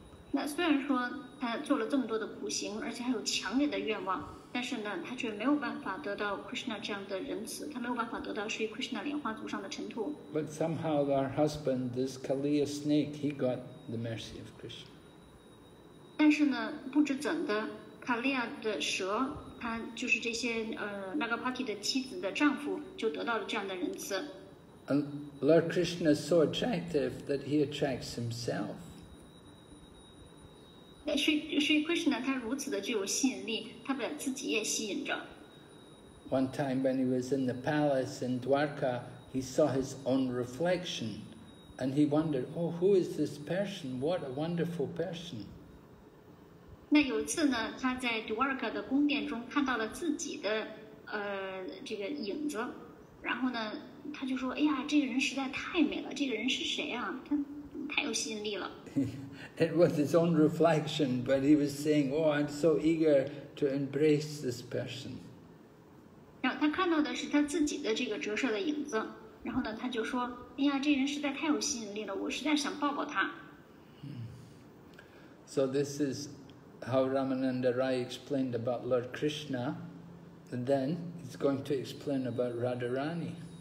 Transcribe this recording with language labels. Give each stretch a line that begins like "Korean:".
Chinese: 那虽然说她做了这么多的苦行，而且还有强烈的愿望，但是呢，她却没有办法得到 Krishna 这样的仁慈，她没有办法得到 Sri Krishna 莲花足上的尘土。
English: But somehow our husband, this Kaliya snake, he got the mercy of Krishna.
Chinese: 但是呢，不知怎的。卡利亚的蛇，他就是这些那个 party 的妻子的丈夫，就得到了这样的仁慈。
English: And Lord Krishna is so attractive that he attracts himself.
Chinese: Sri Krishna 他如此的具有吸引力，他把自己也吸引着。
English: One time when he was in the palace in Dwarka, he saw his own reflection, and he wondered, "Oh, who is this person? What a wonderful person!"
Chinese: 那有一次呢，他在 Dwarka 的宫殿中看到了自己的这个影子，然后呢，他就说：“哎呀，这个人实在太美了，这个人是谁啊？他太有吸引力了。”
English: It was his own reflection, but he was saying, "Oh, I'm so eager to embrace this person."
Chinese: 然后他看到的是他自己的这个折射的影子，然后呢，他就说：“哎呀，这个人实在太有吸引力了，我实在想抱抱他。”
English: So this is. How Ramananda Rai explained about Lord Krishna, and then he's going to explain about Radharani.